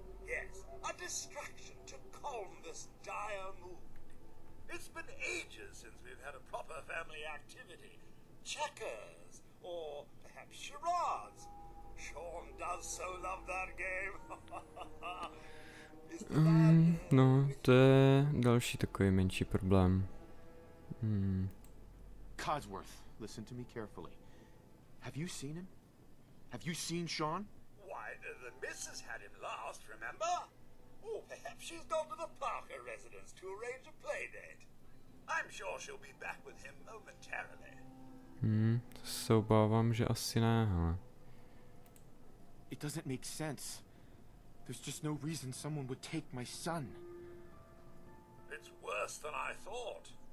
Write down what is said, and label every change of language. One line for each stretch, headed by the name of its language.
English: Yes, a distraction to calm this dire mood. It's been ages since we've had a proper family activity. Checkers, or perhaps charades. Sean does so love that game.
Czech: No, to je další takový menší problém.
English: Codsworth, listen to me carefully. Have you seen him? Have you seen Sean? Why, the missus had him last, remember? Oh, perhaps she's gone to the Parker residence to arrange a play date. I'm sure she'll be back with him momentarily.
Czech: To se obávám, že asi ne, hele.
English: It doesn't make sense. There's just no reason someone would take my son. It's worse than I thought.